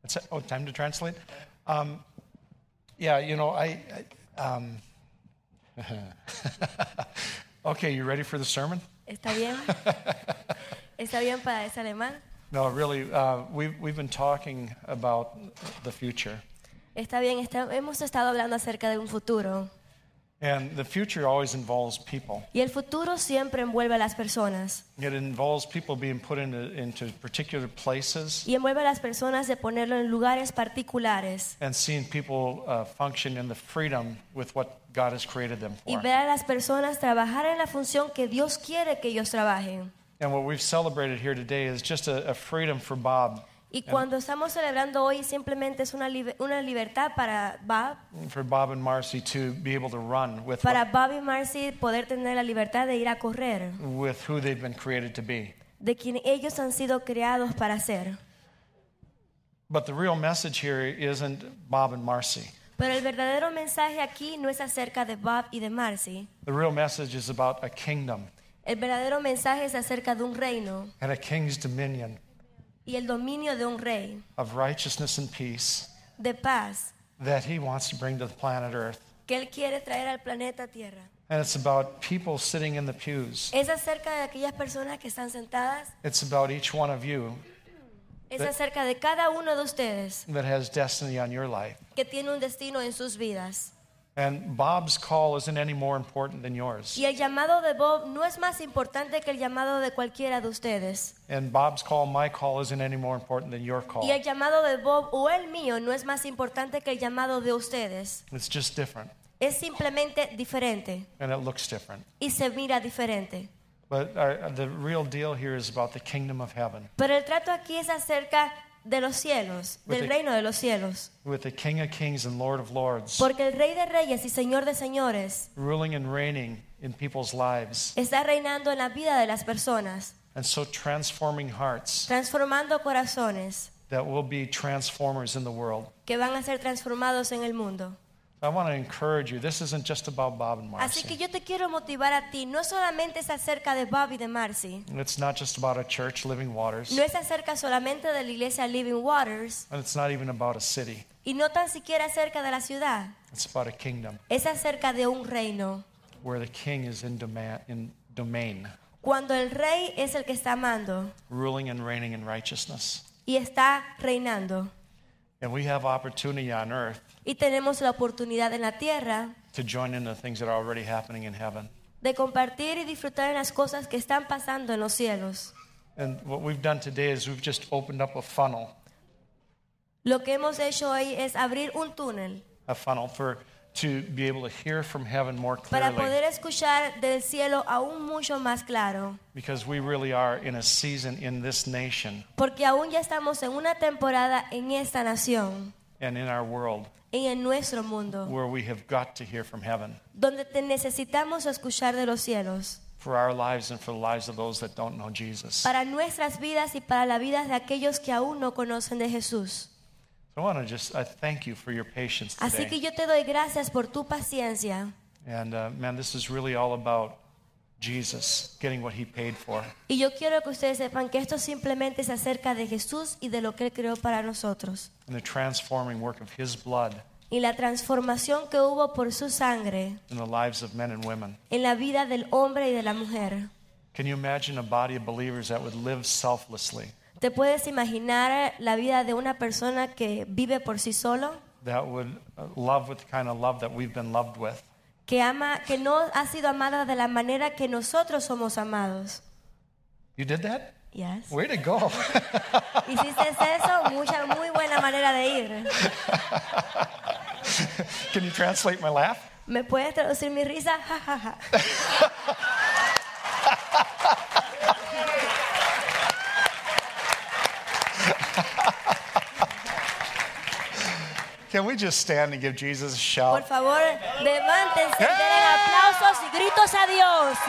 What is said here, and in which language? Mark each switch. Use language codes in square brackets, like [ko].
[en] Oh, time to translate? Yeah, okay, you ready for the sermon? [es] ¿Está bien? ¿Está bien para ese alemán? [en] No, really, we've been talking about the future. [es] Está bien, hemos estado hablando acerca de un futuro. [en] And the future always involves people. [es] Y el futuro siempre envuelve a las personas. [en] It involves people being put into particular places. [es] Y envuelve a las personas de ponerlo en lugares particulares. [en] And seeing people function in the freedom with what God has created them for. [es] Y ver a las personas trabajar en la función que Dios quiere que ellos trabajen. [en] And what we've celebrated here today is just a freedom for Bob. [es] Y cuando estamos celebrando hoy, simplemente es una libertad para Bob. [en] For Bob and Marcy to be able to run with. [es] Para Bob y Marcy poder tener la libertad de ir a correr. [en] With who they've been created to be. [es] De quien ellos han sido creados para ser. [en] But the real message here isn't Bob and Marcy. [es] Pero el verdadero mensaje aquí no es acerca de Bob y de Marcy. [en] The real message is about a kingdom. [es] El verdadero mensaje es acerca de un reino. [en] And a king's dominion. [es] Y el dominio de un rey. [en] Of righteousness and peace. [es] De paz. [en] That he wants to bring to the planet Earth. [es] Que él quiere traer al planeta Tierra. [en] And it's about people sitting in the pews. [es] Es acerca de aquellas personas que están sentadas. [en] It's about each one of you. [es] Es acerca de cada uno de ustedes. [en] That has destiny on your life. [es] Que tiene un destino en sus vidas. [en] And Bob's call isn't any more important than yours. [es] Y el llamado de Bob no es más importante que el llamado de cualquiera de ustedes. [en] And Bob's call, my call, isn't any more important than your call. [es] Y el llamado de Bob o el mío no es más importante que el llamado de ustedes. [en] It's just different. [es] Es simplemente diferente. [en] And it looks different. [es] Y se mira diferente. [en] But the real deal here is about the kingdom of heaven. [es] Pero el trato aquí es acerca de los cielos, del reino de los cielos. [en] With the King of Kings and Lord of Lords. [es] Porque el Rey de Reyes y Señor de Señores. [en] Ruling and reigning in people's lives. [es] Está reinando en la vida de las personas. [en] And so transforming hearts. [es] Transformando corazones. [en] That will be transformers in the world. [es] Que van a ser transformados en el mundo. [en] I want to encourage you. This isn't just about Bob and Marcy. [es] Así que yo te quiero motivar a ti. No solamente es acerca de Bob y de Marcy. [en] It's not just about a church, Living Waters. [es] No es acerca solamente de la iglesia Living Waters. [en] And it's not even about a city. [es] Y no tan siquiera acerca de la ciudad. [en] It's about a kingdom. [es] Es acerca de un reino. [en] Where the king is in domain. [es] Cuando el rey es el que está mando. [en] Ruling and reigning in righteousness. [es] Y está reinando. [en] And we have opportunity on earth. [es] Y tenemos la oportunidad en la tierra [en] to join in the things that are already happening in heaven. [es] De compartir y disfrutar en las cosas que están pasando en los cielos. [en] And what we've done today is we've just opened up a funnel. [es] Lo que hemos hecho hoy es abrir un túnel. [en] A funnel to be able to hear from heaven more clearly. [es] Para poder escuchar del cielo aún mucho más claro. [en] Because we really are in a season in this nation. [es] Porque aún ya estamos en una temporada en esta nación. [en] And in our world. [es] Y en nuestro mundo, [en] where we have got to hear from heaven, [es] donde te necesitamos escuchar de los cielos, [en] for our lives and for the lives of those that don't know Jesus, [es] para nuestras vidas y para la vida de aquellos que aún no conocen de Jesús. [en] So I want to just thank you for your patience today. [es] Así que yo te doy gracias por tu paciencia. [en] And man, this is really all about Jesus getting what he paid for. [es] Y yo quiero que ustedes sepan que esto simplemente es acerca de Jesús y de lo que él creó para nosotros. [en] And the transforming work of his blood. [es] Y la transformación que hubo por su sangre. [en] In the lives of men and women. [es] En la vida del hombre y de la mujer. [en] Can you imagine a body of believers that would live selflessly? [es] ¿Te puedes imaginar la vida de una persona que vive por sí solo? [en] That would love with the kind of love that we've been loved with. [es] Que ama, que no ha sido amada de la manera que nosotros somos amados. [en] You did that? Yes. Way to go. [es] Hiciste eso, mucha muy buena manera de ir. [en] Can you translate my laugh? [es] ¿Me puedes traducir mi risa? [en] Can we just stand and give Jesus a shout? [es] Por favor, levántense, den aplausos y gritos a Dios.